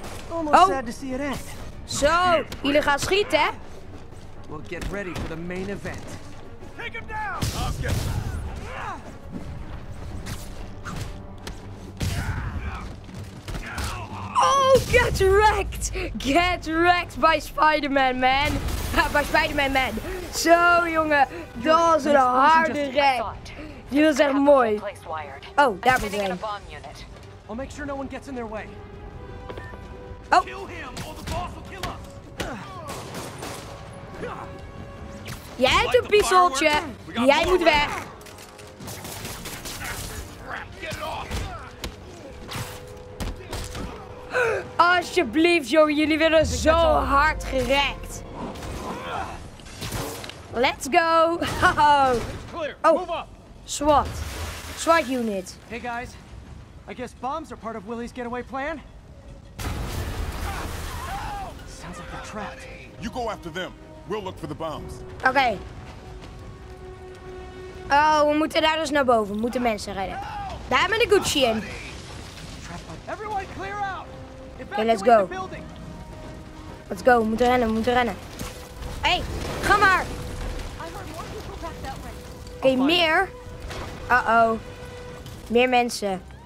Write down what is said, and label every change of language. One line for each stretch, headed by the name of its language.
Dutch: Oh. Zo, jullie gaan schieten, hè?
English: We'll get ready for the main event. Take him down! Oh, get wrecked by Spider-Man, man. By Spider-Man, man.
Dutch: Zo, jongen. Dat was een harde wreck. Die was echt mooi. Oh, daar ben ik.
English: I'll make sure no one gets in their way. Oh. Kill him, or the boss will kill us.
Dutch: Jij hebt een pistooltje. Jij moet weg. Alsjeblieft, jongen, jullie werden zo hard gerekt.
English: Let's go. Oh, SWAT. SWAT unit. Hey guys, I guess bombs are part of Willy's getaway plan. Sounds like they're trapped. You go after them. We'll look for the bombs.
Dutch: Oké. Oh, we moeten daar dus naar boven. We moeten mensen redden. Daar hebben we de Gucci in.
English: Everyone clear out. Oké, okay, let's go. Let's go,
Dutch: we moeten rennen. Hé, hey, ga maar! Oké, okay, meer? Uh-oh. Meer mensen.